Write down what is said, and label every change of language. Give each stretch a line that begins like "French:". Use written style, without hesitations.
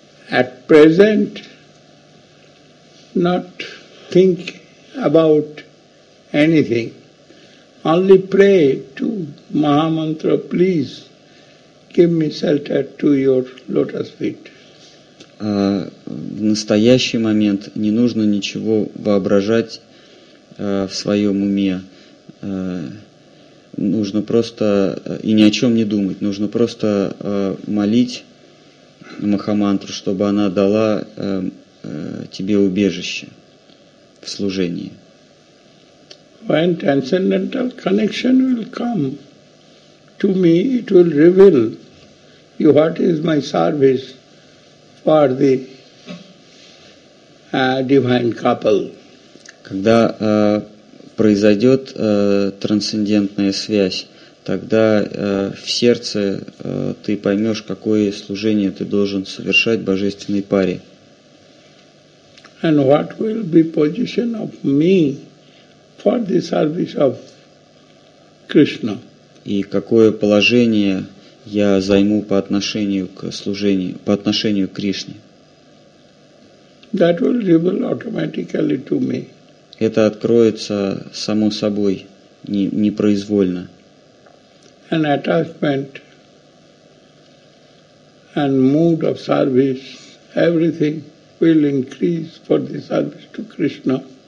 English: At present, not think about anything. Only pray to Maha Mantra, please give me shelter to your lotus feet.
Russian: в настоящий момент не нужно ничего воображать в своем уме. Нужно просто и ни о чем не думать. Нужно просто молить Махамантру, чтобы она дала тебе убежище в служении.
English: When transcendental connection will come to me, it will reveal you what is my service for the divine couple.
Russian: Когда произойдет трансцендентная связь, тогда в сердце ты поймешь, какое служение ты должен совершать божественной паре.
English: And what will be position of me for the service of Krishna?
Russian: И какое положение я займу по отношению к служению, по отношению к Кришне?
English: That will reveal automatically to me.
Russian: Это откроется само собой, непроизвольно.
English: An attachment and mood of service, everything will increase for the service to Krishna.